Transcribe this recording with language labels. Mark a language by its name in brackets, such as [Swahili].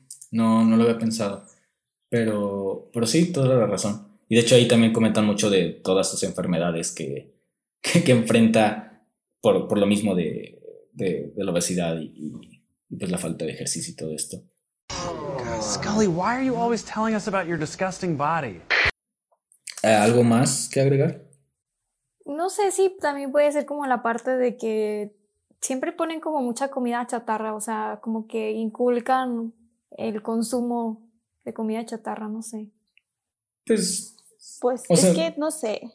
[Spanish] No lo había pensado, pero sí, toda la razón. Y de hecho ahí también comentan mucho de todas sus enfermedades que enfrenta por lo mismo de la obesidad y pues la falta de ejercicio y todo esto. [English] Scully, why are you always telling us about your disgusting body? [Spanish] ¿Algo más que agregar? No sé si también puede ser como la parte de que siempre ponen como mucha comida chatarra, o sea, como que inculcan el consumo de comida chatarra, no sé. Pues, no sé.